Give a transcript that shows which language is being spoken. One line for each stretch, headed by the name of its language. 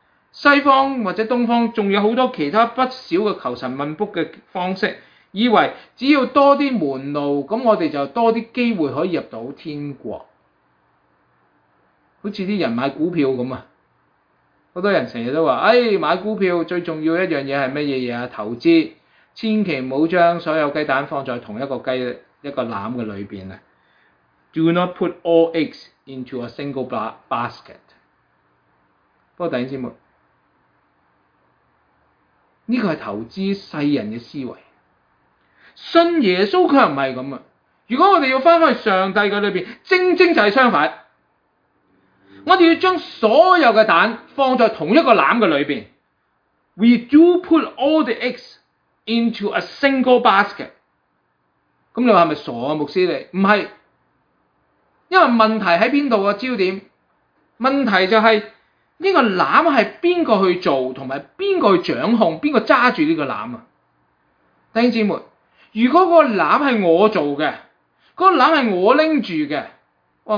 Cantonese: 西方或者东方仲有好多其他不少嘅求神问卜嘅方式，以为只要多啲门路，咁我哋就多啲机会可以入到天国。好似啲人买股票咁啊，好多人成日都话：，买股票最重要一样嘢系乜嘢嘢啊？投资，千祈唔好将所有鸡蛋放在同一个鸡一个篮嘅里边啊。
English: Do not put all eggs into a single basket。
Cantonese: 不过弟兄姊妹，呢个系投资世人嘅思维。信耶稣佢又唔系咁啊。如果我哋要翻返去上帝嘅里边，正正就系相反。我哋要将所有嘅蛋放在同一个篮嘅里边。
English: We do put all the eggs into a single basket。
Cantonese: 咁你话系咪傻啊，牧师你？唔系，因为问题喺边度啊？焦点问题就系呢个篮系边个去做，同埋边个去掌控，边个揸住呢个篮啊？弟兄姊妹，如果个篮系我做嘅，嗰个篮系我拎住嘅。哇！